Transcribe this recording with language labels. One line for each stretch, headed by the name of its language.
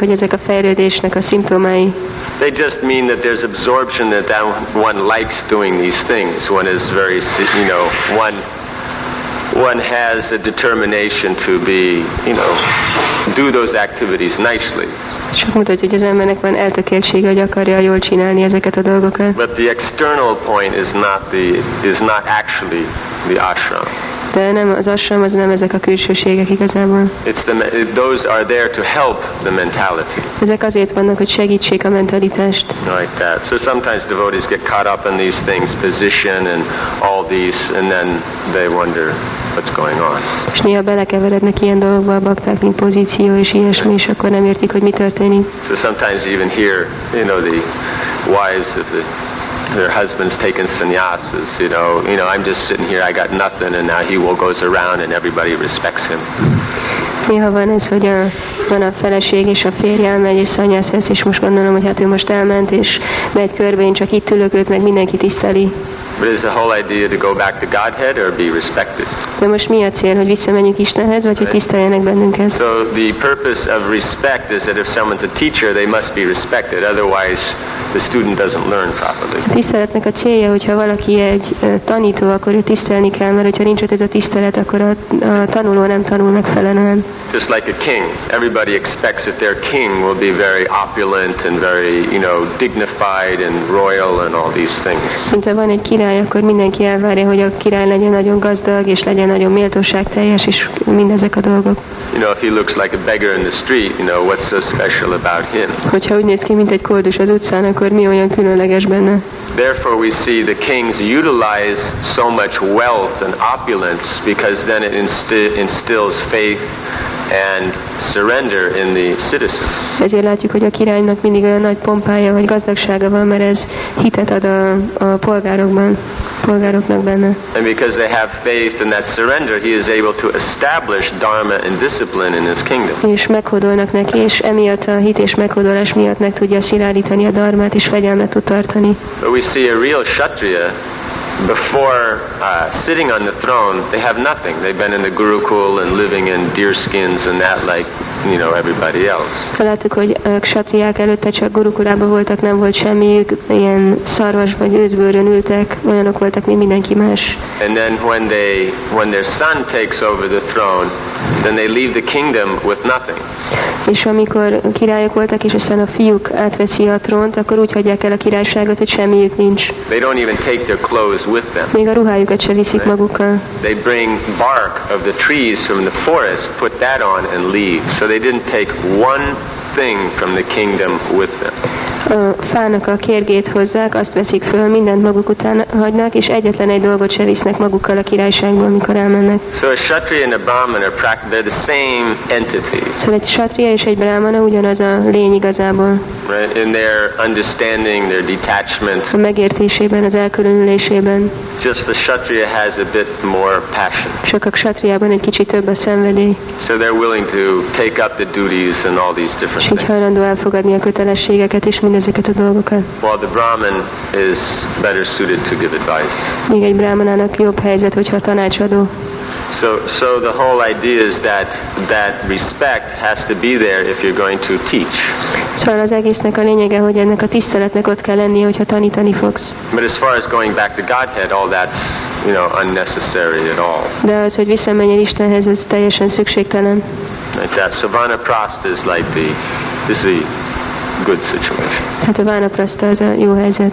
English: They just mean that there's absorption, that one likes doing these things. One is very, you know, one has a determination to be, you know, do those activities nicely.
Hungarian: Csak mutatja, hogy az embernek van eltökéltsége, hogy akarja jól csinálni ezeket a dolgokat.
English: But the external point is not actually the ashram.
Hungarian: De nem az ashram, az nem ezek a külsőségek igazából.
English: Those are there to help the mentality.
Hungarian: Ezek azért vannak, hogy segítsék a mentalitást.
English: Like that. So sometimes devotees get caught up in these things, position and all these, and then they wonder what's going on.
Hungarian: És néha belekeverednek ilyen dolgokba, bakták, mint pozíció és ilyesmi, és akkor nem értik, hogy mi történik.
English: So sometimes even here, you know, the wives of their husbands taking sannyasas, you know, I'm just sitting here, I got nothing, and now he will goes around and everybody respects him.
Hungarian: Néha van ez, hogy van a feleség és a férje elmegy, és szanyász vesz, és most gondolom, hogy hát ő most elment, és megy körbe, én csak itt ülök, őt meg mindenki tiszteli.
English: But is the whole idea to go back to Godhead or be respected?
Hungarian: De most mi a cél, hogy visszamenjünk Istenhez, vagy hogy tiszteljenek bennünket?
English: So the purpose of respect is that if someone's a teacher, they must be respected, otherwise the student doesn't learn properly.
Hungarian: A tiszteletnek a célja, hogyha valaki egy tanító, akkor ő tisztelni kell, mert hogyha nincs ott ez a tisztelet, akkor a tanuló nem tanul megfelelően.
English: Just like a king, everybody expects that their king will be very opulent and very, you know, dignified and royal and all these things.
Hungarian: Mint ha van egy király, akkor mindenki elvárja, hogy a király legyen nagyon gazdag és legyen nagyon méltóságteljes és mindezek a dolgok.
English: You know, if he looks like a beggar in the street, you know, what's so special about him?
Hungarian: Hogyha úgy néz ki, mint egy koldus az utcán, akkor mi olyan különleges benne?
English: Therefore we see the kings utilize so much wealth and opulence because then it instills faith and surrender in the citizens.
Hungarian: Ezért látjuk, hogy a királynak mindig olyan nagy pompája vagy gazdagsága van, mert ez hitet ad a polgároknak benne.
English: And because they have faith and that surrender, he is able to establish dharma and discipline in his kingdom.
Hungarian: És meghódolnak neki, és emiatt a hit és meghódolás miatt meg tudja szilárdítani a dharmát és fegyelmet tud tartani.
English: But we see a real kshatriya before sitting on the throne, they have nothing. They've been in the gurukul and living in deer skins and that, like, you know, everybody else.
Hungarian: Felálltuk, hogy a ksatriák előtte csak gurukulában voltak, nem volt semmiük, ilyen szarvas vagy őzbőrön ültek, olyanok voltak, mint mindenki más.
English: And then when their son takes over the throne, then they leave the kingdom with nothing.
Hungarian: És amikor királyok voltak, és aztán a fiúk átveszi a trónt, akkor úgy hagyják el a királyságot, hogy semmiük nincs.
English: They don't even take their clothes with them.
Hungarian: Még a ruhájukat sem viszik magukkal.
English: They bring bark of the trees from the forest, put that on, and leave. So they didn't take one thing from the kingdom with them.
Hungarian: A fának a kérgét hozzák, azt veszik föl, mindent maguk után hagynak, és egyetlen egy dolgot se visznek magukkal a királyságból, amikor elmennek.
English: So a kshatriya and a brahmana they're the same entity.
Hungarian: So egy kshatriya és egy brahmana ugyanaz a lény igazából.
English: Right? In their understanding, their detachment.
Hungarian: A megértésében, az elkülönülésében.
English: Just the kshatriya has a bit more passion.
Hungarian: Csak a kshatriában egy kicsit több a szenvedély.
English: So they're willing to take up the duties and all these different things.
Hungarian: És így hajlandó elfogadni a kötelességeket és mindezeket a dolgokat.
English: While the brahmin is better suited to give advice.
Hungarian: Még egy brahmanának jobb helyzet, hogyha tanácsadó.
English: So the whole idea is that respect has to be there if you're going to teach.
Hungarian: Szóval az egésznek a lényege, hogy ennek a tiszteletnek ott kell lennie, hogyha tanítani fogsz.
English: But as far as going back to Godhead, all that's, you know, unnecessary at all.
Hungarian: De az, hogy visszamenjen Istenhez, ez teljesen szükségtelen.
English: Like that. So vanaprast is like the good situation.
Hungarian: Tehát a vanaprast az a jó helyzet.